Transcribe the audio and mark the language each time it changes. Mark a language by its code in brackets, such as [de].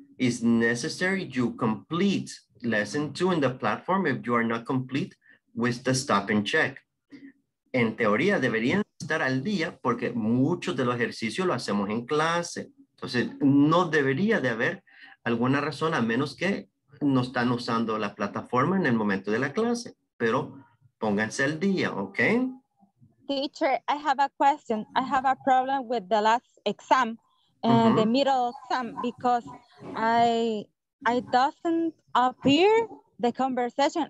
[en] It's necessary you complete lesson two in the platform if you are not complete with the stop and check. [es] En teoría, deberían estar al día porque muchos de los ejercicios lo hacemos en clase. Entonces, no debería de haber alguna razón a menos que no están usando la plataforma en el momento de la clase. Pero pónganse al día, ¿ok? [en] Teacher, I have a question. I have a problem with the last exam and the middle exam because I doesn't appear the conversation.